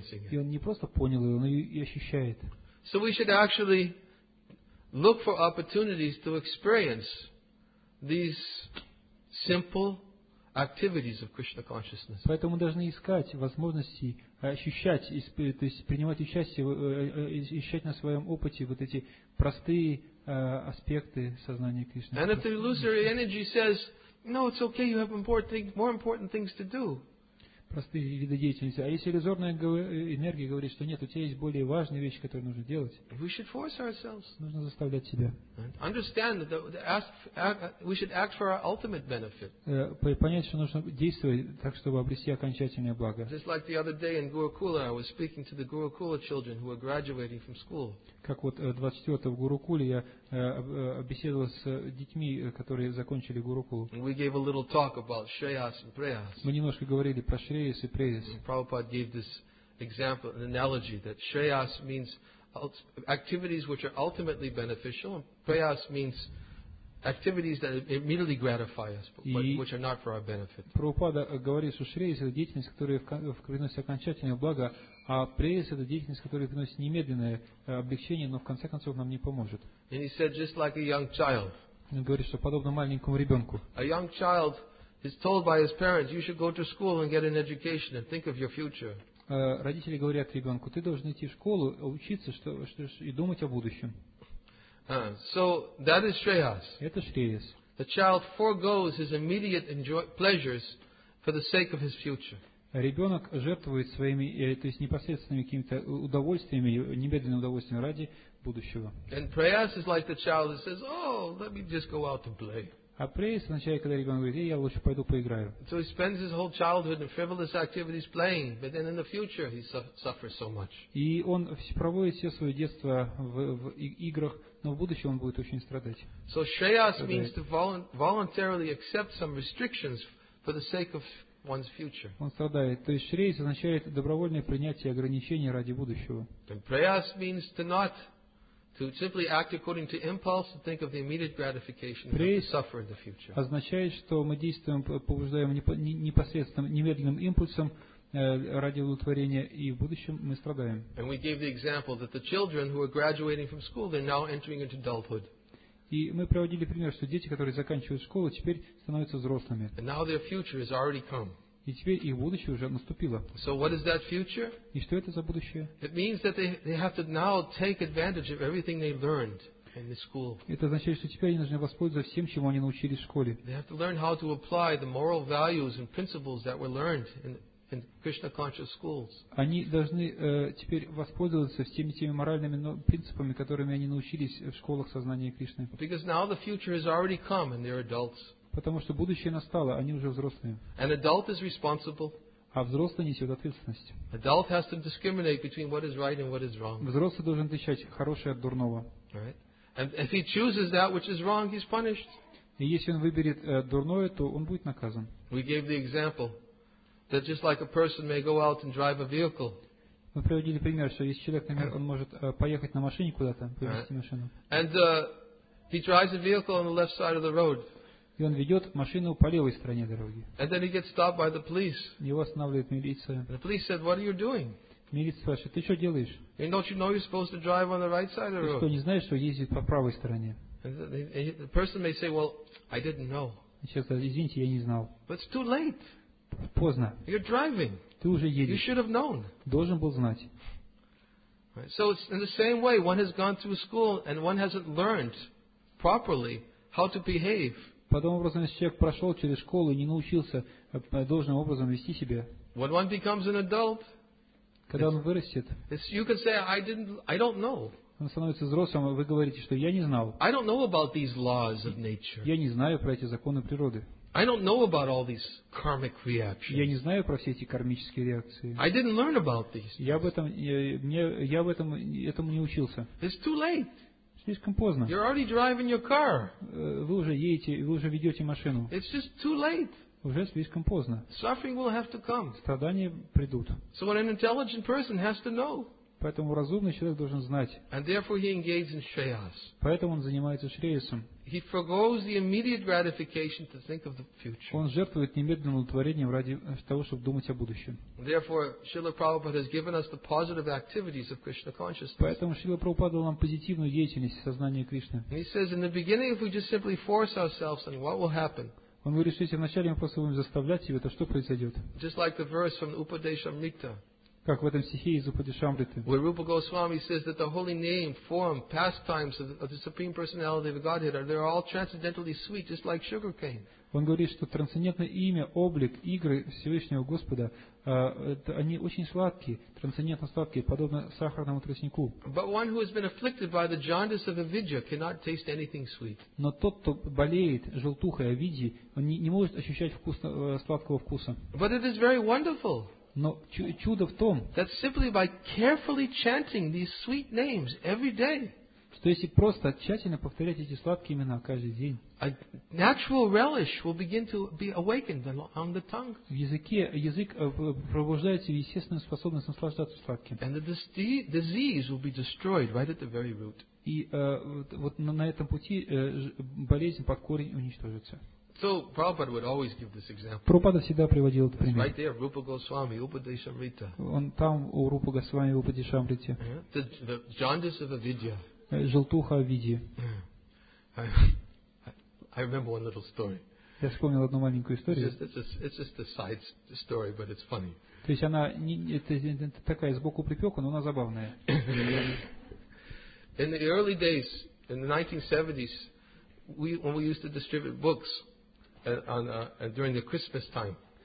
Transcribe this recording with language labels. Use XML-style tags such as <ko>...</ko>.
<ru>И он не просто понял ее, он ее и ощущает.</ru> <en>So we should actually look for opportunities to experience these simple activities of Krishna consciousness.</en> <ru>Поэтому мы должны искать возможности ощущать, то есть принимать участие, ощущать на своем опыте вот эти простые аспекты сознания Кришны.</ru> <en>And if the illusory energy says, no, it's okay, you have more important things to do.</en> <ru>Простые виды деятельности. А если иллюзорная энергия говорит, что нет, у тебя есть более важные вещи, которые нужно делать,</ru> <en>we should force ourselves.</en> <ru>Нужно заставлять себя.</ru> <en>Understand that we should act for our ultimate benefit.</en> <ru>Понять, что нужно действовать так, чтобы обрести окончательное благо.</ru> <en>Just like the other day in Gurukula, I was speaking to the Gurukula children who are graduating from school.</en> <ru>Как вот 24-го в Гурукуле я беседовал с детьми, которые закончили Гурукулу.</ru> <en>We gave a little talk about Shreyas and Preyas.</en> <ru>Мы немножко говорили про Shreyas и Preyas.</ru> <en>Prabhupada gave this example, an analogy, that Shreyas means activities which are ultimately beneficial, and Preyas means activities that immediately gratify us, but which are not for our benefit.</en> <ru>Прабхупада говорит, что Шрейс – это деятельность, которая приносит окончательное благо, а Прейс – это деятельность, которая приносит немедленное облегчение, но в конце концов нам не поможет.</ru> <en>And he said, just like a young child.</en> <ru>Он говорит, что подобно маленькому ребенку.</ru> <en>A young child is told by his parents, you should go to school and get an education and think of your future.</en> <ru>Родители говорят ребенку, ты должен идти в школу, учиться и думать о будущем.</ru> <en>So that is Shreyas.</en> <ru>Это Шреяс.</ru> <en>The child foregoes his immediate pleasures for the sake of his future.</en> <ru>Ребенок жертвует своими, то есть непосредственными какими-то удовольствиями, немедленными удовольствиями ради будущего.</ru> <en>And Preyas is like the child that says, "Oh, let me just go out and play."</en> <ru>А Преяс означает, когда ребенок говорит, я лучше пойду поиграю.</ru> <en>So he spends his whole childhood in frivolous activities playing, but then in the future he suffers so much.</en> <ru>И он проводит все свое детство в играх, но в будущем он будет очень страдать.</ru> <en>So Shreyas means to voluntarily accept some restrictions for the sake of one's future.</en> <ru>Он страдает. То есть Шрейс означает добровольное принятие ограничений ради будущего.</ru> <en>And Preyas means to not to simply act according to impulse and think of the immediate gratification of the suffer in the future.</en> <ru>Означает, что мы действуем, побуждаем непосредственным, немедленным импульсом ради удовлетворения, и в будущем мы страдаем.</ru> <en>And we gave the example that the children who are graduating from school, they're now entering into adulthood.</en> <ru>И мы приводили пример, что дети, которые заканчивают школу, теперь становятся взрослыми.</ru> <en>And now their future has already come.</en> <ru>И теперь их будущее уже наступило.</ru> <en>So what is that future?</en> <ru>И что это за будущее?</ru> <en>It means that they have to now take advantage of everything they learned in the school.</en> <ru>Это означает, что теперь они должны воспользоваться всем, чему они научились в школе.</ru> <en>They have to learn how to apply the moral values and principles that were learned in Krishna conscious schools.</en> <ru>Они должны теперь воспользоваться всеми теми моральными принципами, которыми они научились в школах сознания Кришны.</ru> <en>Because now the future has already come and they're adults.</en> <ru>Потому что будущее настало, они уже взрослые.</ru> <en>An adult is responsible.</en> <ru>А взрослый несет ответственность.</ru> <en>Adult has to discriminate between what is right and what is wrong.</en> <ru>Взрослый должен отличать хорошее от дурного.</ru> <en>Right. And if he chooses that which is wrong, he's punished.</en> <ru>И если он выберет дурное, то он будет наказан.</ru> <en>We gave the example that just like a person may go out and drive a vehicle.</en> <ru>Мы приводили пример, что если человек, например, он может поехать на машине куда-то, повезти машину.</ru> <en>And he drives a vehicle on the left side of the road.</en> <ru>И он ведет машину по левой стороне дороги.</ru> <en>And then he gets stopped by the police.</en> <ru>Его останавливает милиция.</ru> <en>The police said, "What are you doing?"</en> <ru>Мирит спрашивает, ты что делаешь?</ru> <en>And don't you know you're supposed to drive on the right side of the road?</en> <ru>Ты что, не знаешь, что ездить по правой стороне?</ru> <en>The person may say, well, I didn't know.</en> <ru>Извините, я не знал.</ru> <en>But it's too late.</en> <ru>Поздно.</ru> <en>You're driving.</en> <ru>Ты уже едешь.</ru> <en>You should have known.</en> <ru>Должен был знать.</ru> <en>Right. So it's in the same way, one has gone through school and one hasn't learned properly how to behave.</en> <ru>Подобным образом, если человек прошел через школу и не научился должным образом вести себя.</ru> <en>When one becomes an adult,</en> <ru>когда он вырастет,</ru> <en>you can say, I didn't, I don't know.</en> <ru>Он становится взрослым, вы говорите, что я не знал.</ru> <en>I don't know about these laws of nature.</en> <ru>Я не знаю про эти законы природы.</ru> <en>I don't know about all these karmic reactions.</en> <ru>Я не знаю про все эти кармические реакции.</ru> <en>I didn't learn about these.</en> <ru>Я этому не учился.</ru> <en>It's too late.</en> <ru>Слишком поздно.</ru> <en>You're already driving your car.</en> <ru>Вы уже ведете машину.</ru> <en>It's just too late.</en> <ru>Уже слишком поздно.</ru> <en>Suffering will have to come.</en> <ru>Страдания придут.</ru> <en>So an intelligent person has to know.</en> <ru>Поэтому разумный человек должен знать.</ru> <en>And therefore he engages in shreyas.</en> <ru>Поэтому он занимается шреясом.</ru> <en>He forgoes the immediate gratification to think of the future.</en> <ru>Он жертвует немедленным удовлетворением ради того, чтобы думать о будущем.</ru> <en>Therefore, Srila Prabhupada has given us the positive activities of Krishna consciousness.</en> <ru>Поэтому Шрила Прабхупада дал нам позитивную деятельность сознания Кришны.</ru> <en>He says, in the beginning, if we just simply force ourselves, then what will happen?</en> <ru>Он говорит, что если вначале мы просто будем заставлять себя, то что произойдет?</ru> <en>Just like the verse from Upadeshamrita.</en> <ru>Как в этом стихе из Упадешамриты.</ru> <en>Where Rupa Goswami says that the holy name, form, pastimes of the Supreme Personality of Godhead are all transcendentally sweet, just like sugar cane.</en> <ru>Он говорит, что трансцендентное имя, облик, игры Всевышнего Господа, они очень сладкие, трансцендентно сладкие, подобно сахарному тростнику.</ru> <en>But one who has been afflicted by the jaundice of avidya cannot taste anything sweet.</en> <ru>Но тот, кто болеет желтухой авидьи, он не может ощущать вкусного, сладкого вкуса.</ru> <en>But it is very wonderful.</en> <ru>Но чудо в том,</ru> <en>that simply by carefully chanting these sweet names every day,</en> <ru>что если просто тщательно повторять эти сладкие имена каждый день,</ru> <en>a natural relish will begin to be awakened on the tongue.</en> <ru>В языке язык пробуждается в естественную способность наслаждаться сладким.</ru> <en>And the disease will be destroyed right at the very root.</en> <ru>И вот на этом пути болезнь под корень уничтожится.</ru> <en>So Prabhupada would always give this example.</en> <ru>Прабхупада всегда приводил этот пример.</ru> <en>Right there, Rupa Goswami, Upadeshamrita.</en> <ru>Он там у Рупы Госвами в Упадешамрите.</ru> <en>The jaundice of avidya.</en> <ru>Желтуха авидьи.</ru> <en>I remember one little story.</en> <ru>Я вспомнил одну маленькую историю.</ru> <en>It's just a side story, but it's funny.</en> <ru>То есть она это такая сбоку припека, но она забавная.</ru> <en>In the early days, in the 1970s, when we used to distribute books. During the Christmas time.</en>